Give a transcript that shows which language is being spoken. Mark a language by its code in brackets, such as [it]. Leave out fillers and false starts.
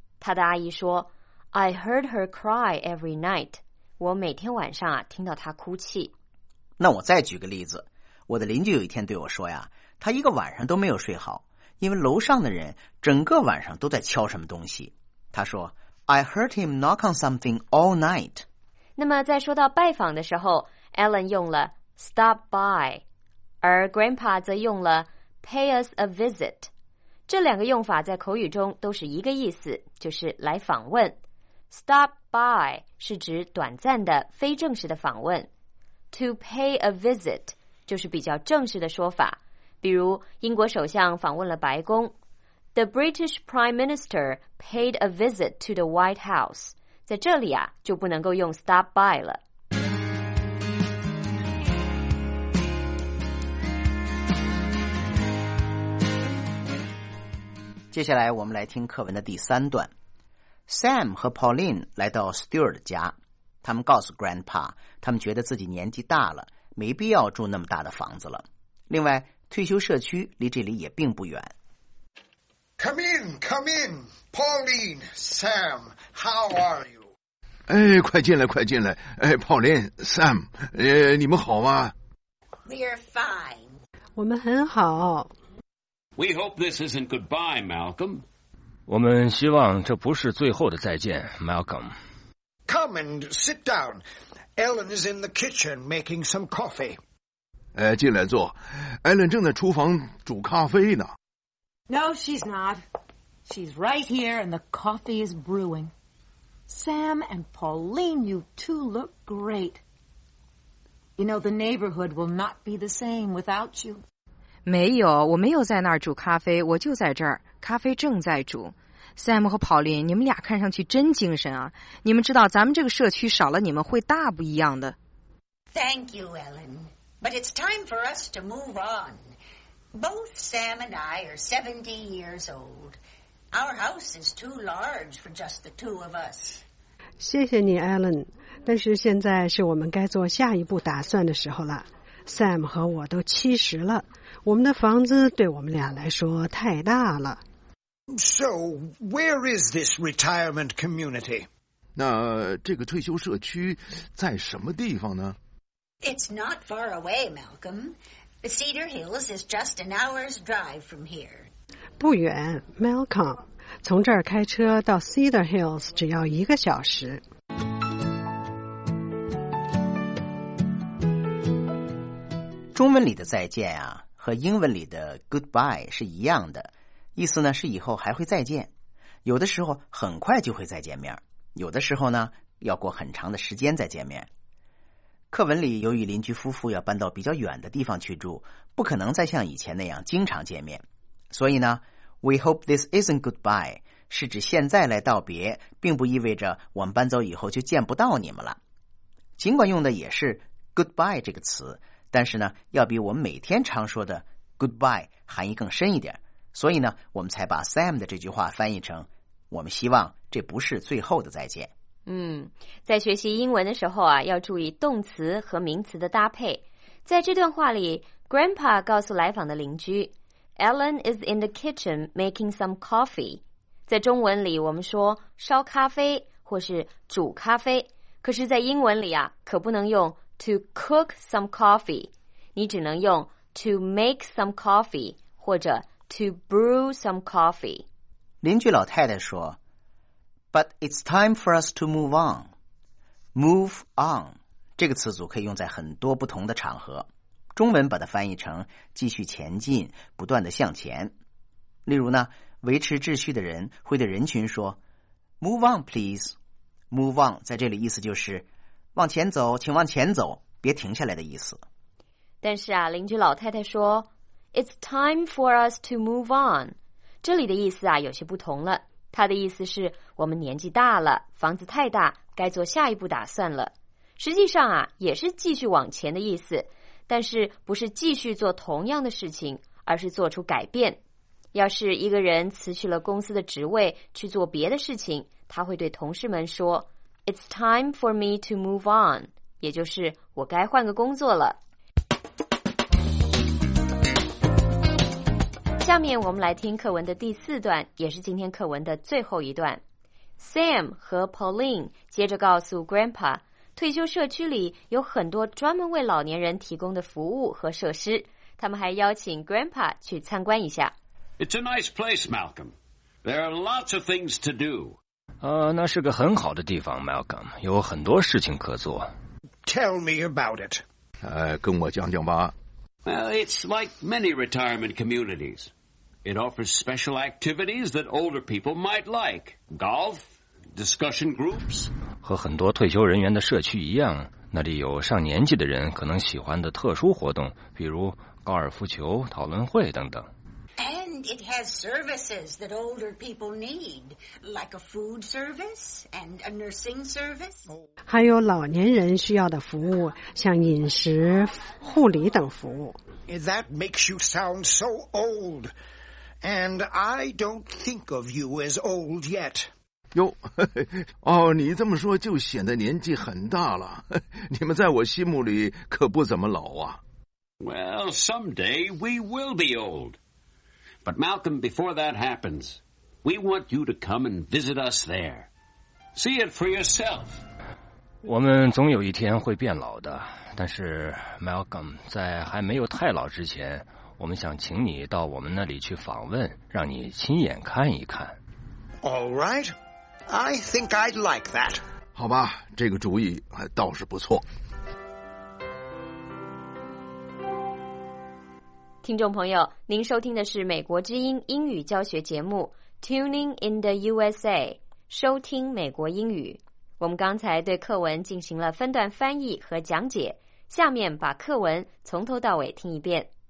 [zh] 她的阿姨说 [en] I heard her cry every night， [zh] 我每天晚上啊听到她哭泣。那我再举个例子，我的邻居有一天对我说呀，她一个晚上都没有睡好，因为楼上的人整个晚上都在敲什么东西。她说 [en] I heard him knock on something all night. [zh] 那么在说到拜访的时候， Alan 用了 stop by， 而 Grandpa 则用了 [en] pay us a visit。 [zh] 这两个用法在口语中都是一个意思，就是来访问。 stop by 是指短暂的非正式的访问， [en] to pay a visit [zh] 就是比较正式的说法。比如英国首相访问了白宫， [en] The British Prime Minister paid a visit to the White House. [zh] 在这里啊，就不能够用 stop by 了。接下来我们来听课文的第三段。Sam 和 Pauline 来到 Stuart 家，他们告诉 Grandpa， 他们觉得自己年纪大了，没必要住那么大的房子了。另外，退休社区离这里也并不远。 [en] Come in, come in, Pauline, Sam, how are you? [zh] 哎，快进来，快进来。哎 ，Pauline, Sam, 你们好吗 [en] ？We're fine. [zh] 我们很好。 [en] We hope this isn't goodbye, Malcolm. [zh] 我们希望这不是最后的再见 ，Malcolm. [en] Come and sit down. Ellen is in the kitchen making some coffee. [zh] 哎，进来坐。 Ellen 正在厨房煮咖啡呢。 [en] No, she's not. She's right here, and the coffee is brewing. Sam and Pauline, you two look great. You know, the neighborhood will not be the same without you. [zh] 没有，我没有在那儿煮咖啡，我就在这儿，咖啡正在煮。 Sam 和 Pauline, 你们俩看上去真精神啊。你们知道咱们这个社区少了你们会大不一样的。 [en] Thank you, Ellen. But it's time for us to move on. Both Sam and I are 70 years old. Our house is too large for just the two of us. [zh] 谢谢你 Ellen, 但是现在是我们该做下一步打算的时候了。 Sam 和我都70了，我们的房子对我们俩来说太大了。 [en] So, where is this retirement community? [zh] 那这个退休社区在什么地方呢？ [en] It's not far away, Malcolm. Cedar Hills is just an hour's drive from here. [zh] 不远 ,Malcolm, 从这儿开车到 Cedar Hills 只要一个小时。中文里的再见啊，和英文里的 goodbye 是一样的。意思呢是以后还会再见，有的时候很快就会再见面，有的时候呢要过很长的时间再见面。课文里由于邻居夫妇要搬到比较远的地方去住，不可能再像以前那样经常见面，所以呢 [en] We hope this isn't goodbye [zh] 是指现在来道别，并不意味着我们搬走以后就见不到你们了。尽管用的也是 goodbye 这个词，但是呢要比我们每天常说的 goodbye 含义更深一点，所以呢我们才把 Sam 的这句话翻译成我们希望这不是最后的再见。嗯，在学习英文的时候啊，要注意动词和名词的搭配。在这段话里 Grandpa 告诉来访的邻居 [en] Ellen is in the kitchen making some coffee。 [zh] 在中文里我们说烧咖啡或是煮咖啡，可是在英文里啊，可不能用 [en] to cook some coffee， [zh] 你只能用 [en] to make some coffee [zh] 或者 [en] To brew some coffee. [zh] 邻居老太太说 [en] But it's time for us to move on. [zh] Move on 这个词组可以用在很多不同的场合，中文把它翻译成继续前进，不断的向前。例如呢，维持秩序的人会对人群说 [en] Move on please. [zh] Move on 在这里意思就是往前走，请往前走，别停下来的意思。但是啊，邻居老太太说 [en] It's time for us to move on. [zh] 这里的意思啊，有些不同了。它的意思是，我们年纪大了，房子太大，该做下一步打算了。实际上啊，也是继续往前的意思，但是不是继续做同样的事情，而是做出改变。要是一个人辞去了公司的职位，去做别的事情，他会对同事们说 [en] It's time for me to move on. [zh] 也就是，我该换个工作了。下面我们来听课文的第四段，也是今天课文的最后一段。 Sam 和 Pauline 接着告诉 Grandpa， 退休社区里有很多专门为老年人提供的服务和设施，他们还邀请 Grandpa 去参观一下。 [en] It's a nice place, Malcolm. There are lots of things to do. [zh] 那是个很好的地方 ，Malcolm， 有很多事情可做。 [en] Tell me about it. [zh] 跟我讲讲吧。 [en] Well, it's like many retirement communities. It offers special activities that older people might like. Golf, discussion groups. [zh] 和很多退休人员的社区一样，那里有上年纪的人可能喜欢的特殊活动，比如高尔夫球、讨论会等等。 [en] And it has services that older people need, like a food service and a nursing service. [zh] 还有老年人需要的服务，像饮食、护理等服务。 [en] That makes you sound so old, and I don't think of you as old yet. [zh] 哟，哦，你这么说就显得年纪很大了。你们在我心目里可不怎么老啊。 [en] Well, someday we will be old. But Malcolm, before that happens, we want you to come and visit us there. See it for yourself. [zh] 我们总有一天会变老的，但是 Malcolm, 在还没有太老之前，我们想请你到我们那里去访问，让你亲眼看一看。 All right, I think I'd like that. 好吧，这个主意倒是不错。听众朋友，您收听的是美国之音英语教学节目 Tuning in the USA，收听美国英语。我们刚才对课文进行了分段翻译和讲解，下面把课文从头到尾听一遍。